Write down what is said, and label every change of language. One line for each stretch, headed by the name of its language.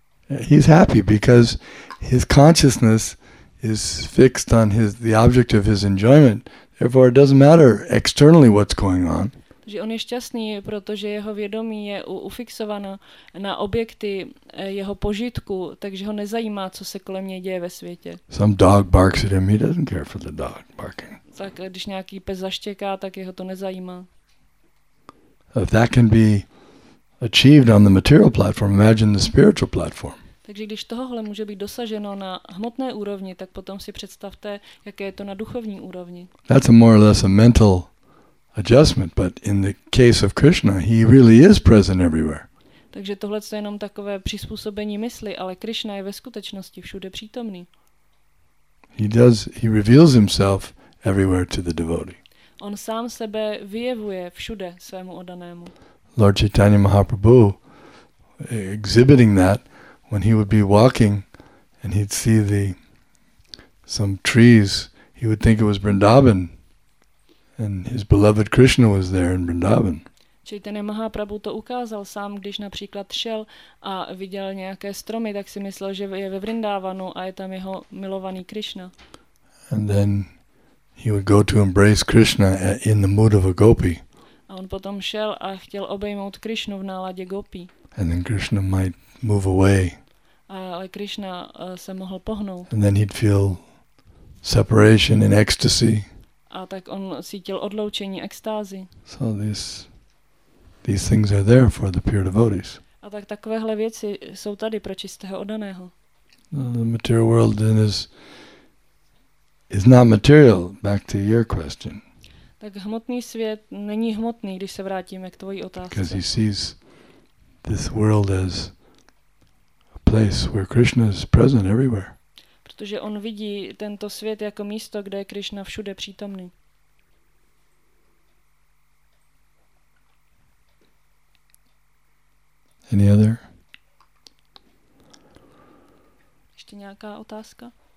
English: He's happy because his consciousness is fixed on the object of his enjoyment. Therefore it doesn't matter externally what's going on.
Czech: Že on je šťastný, protože jeho vědomí je ufixováno na objekty jeho požitku, takže ho nezajímá, co se kolem něj děje ve světě.
English: Some dog barks at him, he doesn't care for the dog barking.
Czech: Tak když nějaký pes zaštěká, tak jeho to nezajímá.
English: If that can be achieved on the material platform, imagine the spiritual platform.
Czech: Takže když tohohle může být dosaženo na hmotné úrovni, tak potom si představte, jaké je to na duchovní úrovni.
English: That's a more or less a mental adjustment, but in the case of Krishna, he really is present everywhere.
Czech: Takže tohle je jenom takové přizpůsobení mysli, ale Krishna je ve skutečnosti všude přítomný.
English: He reveals himself everywhere to the devotee.
Czech: On sám sebe vyjevuje všude svému oddanému.
English: Lord Chaitanya Mahaprabhu exhibiting that when he would be walking and he'd see some trees, he would think it was Vrindavan. And his beloved Krishna was there in Vrindavan.
Czech: Chaitanya Mahaprabhu to ukázal sám, když například šel a viděl nějaké stromy, tak si myslel, že je ve Vrindavanu a je tam jeho milovaný Krishna.
English: And then he would go to embrace Krishna in the mood of a gopi.
Czech: A on potom šel a chtěl obejmout Krishnu v náladě gopi.
English: And then Krishna might move away.
Czech: Ale Krishna se mohl pohnout.
English: And then he'd feel separation in ecstasy.
Czech: A tak on cítil odloučení, extázy.
English: So these things are there for the pure devotees.
Czech: A tak takovéhle věci jsou tady pro čistého oddaného.
English: The material world then is not material, back to your question.
Czech: Tak hmotný svět není hmotný, když se vrátíme k tvojí otázce.
English: Because he sees this world as a place where Krishna is present everywhere.
Czech: Protože on vidí tento svět jako místo, kde je Krishna všude přítomný.
English: Any other?
Czech: Ještě nějaká otázka?